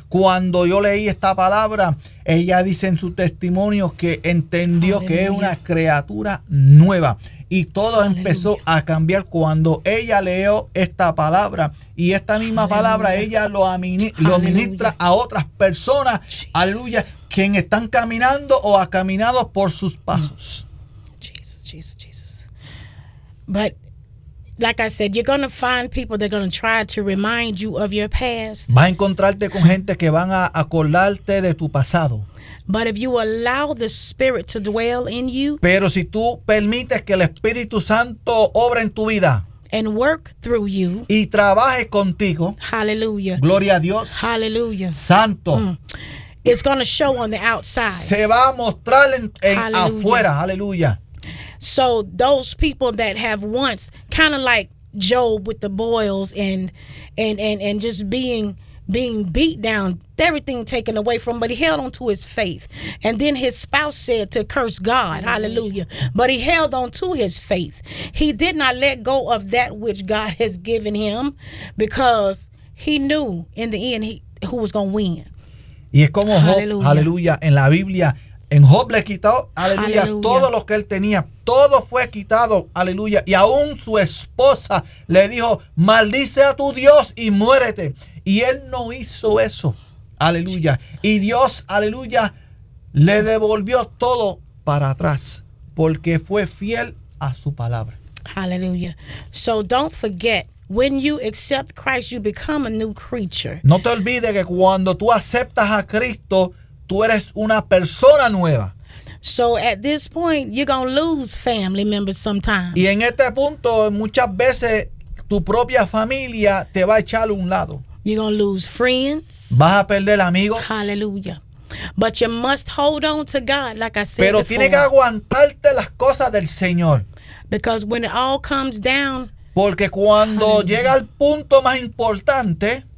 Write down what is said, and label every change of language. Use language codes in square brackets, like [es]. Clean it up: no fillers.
[es] Cuando yo leí esta palabra, ella dice en su testimonio que entendió que es una criatura nueva. Y todo empezó a cambiar cuando ella leyó esta palabra. Y esta misma palabra, ella lo ministra a otras personas, aleluya, quien están caminando o ha caminado por sus pasos. [en] Jesus, Jesus, Jesus. But like I said, you're going to find people that are going to try to remind you of your past. [es] Vas a encontrarte con gente que van a acordarte de tu pasado. [en] But if you allow the Spirit to dwell in you, [es] pero si tú permites que el Espíritu Santo obra en tu vida, [en] and work through you, [es] y trabaje contigo, [en] hallelujah, [es] gloria a Dios, [en] hallelujah, [es] santo, [en] it's going to show on the outside, [es] se va a mostrar en afuera, hallelujah. [en] So those people that have once, kind of like Job with the boils and just being beat down, everything taken away from, but he held on to his faith. And then his spouse said to curse God, hallelujah, but he held on to his faith. He did not let go of that which God has given him, because he knew in the end who was going to win. [es] Y es como hallelujah. Job, hallelujah, en la Biblia, en Job le quitó, hallelujah, hallelujah, todo lo que él tenía, todo fue quitado, aleluya, y aún su esposa le dijo, maldice a tu Dios y muérete. Y él no hizo eso, aleluya. Y Dios, aleluya, le devolvió todo para atrás, porque fue fiel a su palabra. Aleluya. [en] So don't forget, when you accept Christ, you become a new creature. [es] No te olvides que cuando tú aceptas a Cristo, tú eres una persona nueva. [en] So at this point, you're going to lose family members sometimes. [es] Y en este punto, muchas veces, tu propia familia te va a echar a un lado. [en] You're going to lose friends. [es] Vas a perder amigos. [en] Hallelujah. But you must hold on to God, like I said before. [es] Pero tienes que aguantarte las cosas del Señor. [en] Because when it all comes down, [es] porque cuando llega el punto más importante,